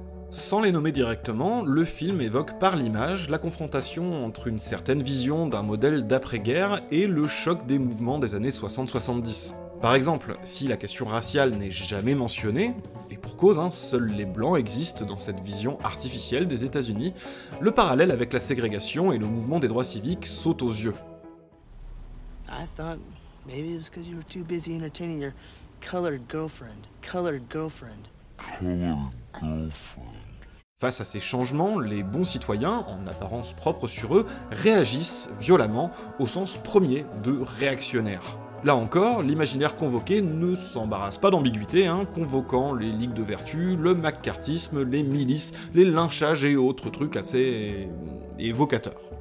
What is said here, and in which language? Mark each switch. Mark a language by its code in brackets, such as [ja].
[fr] Sans les nommer directement, le film évoque par l'image la confrontation entre une certaine vision d'un modèle d'après-guerre et le choc des mouvements des années 60-70. Par exemple, si la question raciale n'est jamais mentionnée, et pour cause, hein, seuls les blancs existent dans cette vision artificielle des États-Unis, le parallèle avec la ségrégation et le mouvement des droits civiques saute aux yeux. [en] I thought maybe it was because you were too busy entertaining your colored girlfriend. Colored girlfriend. Colored girlfriend. [fr] Face à ces changements, les bons citoyens, en apparence propre sur eux, réagissent violemment au sens premier de réactionnaire. Là encore, l'imaginaire convoqué ne s'embarrasse pas d'ambiguïté, hein, convoquant les ligues de vertu, le maccartisme, les milices, les lynchages et autres trucs assez... évocateurs.